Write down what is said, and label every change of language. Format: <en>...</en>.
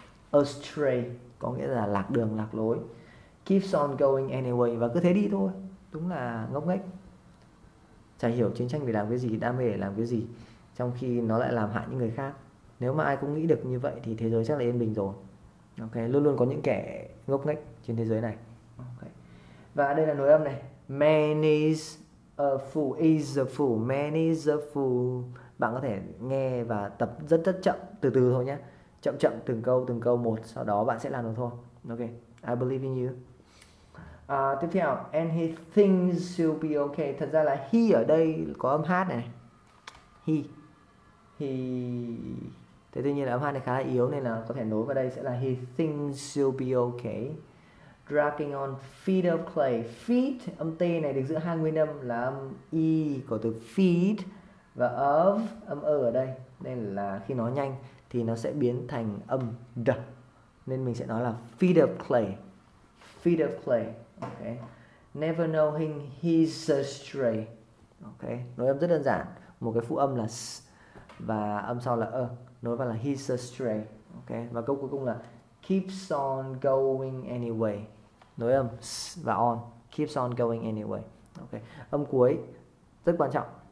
<vi>Astray có nghĩa là lạc đường, lạc lối.</vi> <en>Keeps on going anyway,</en> <vi>và cứ thế đi thôi, đúng là ngốc nghếch. Chả hiểu chiến tranh để làm cái gì, đam mê để làm cái gì, trong khi nó lại làm hại những người khác. Nếu mà ai cũng nghĩ được như vậy thì thế giới chắc là yên bình rồi. Ok, luôn luôn có những kẻ ngốc nghếch trên thế giới này. Okay. Và đây là nối âm này.</vi> <en>Man is a fool, is a fool, man is a fool.</en> <vi>Bạn có thể nghe và tập rất rất chậm, từ từ thôi nhé. Chậm chậm từng câu một, sau đó bạn sẽ làm được thôi.</vi> <en>Ok, I believe in you.</en> <vi>Tiếp theo,</vi> <en>and he thinks you'll be okay.</en> <vi>Thật ra là he ở đây có âm hát này. Thế tuy nhiên là âm hát này khá là yếu nên là có thể nối vào đây sẽ là</vi> <en>he thinks you'll be okay. Dragging on feet of clay.</en> <vi>Feet, âm T này được giữ hai nguyên âm là âm I của từ feed và of, âm ơ ở đây. Nên là khi nói nhanh thì nó sẽ biến thành âm d. Nên mình sẽ nói là</vi> <en>feet of clay. Feet of clay. Okay. Never knowing he's astray.</en> <vi>Okay. Nối âm rất đơn giản. Một cái phụ âm là s và âm sau là ơ. Nối vào là</vi> <en>he's astray.</en> <vi>Okay. Và câu cuối cùng là</vi> <en>keeps on going anyway.</en> <vi>Nối âm s và on.</vi> <en>Keeps on going anyway.</en> <vi>Okay. Âm cuối rất quan trọng.</vi>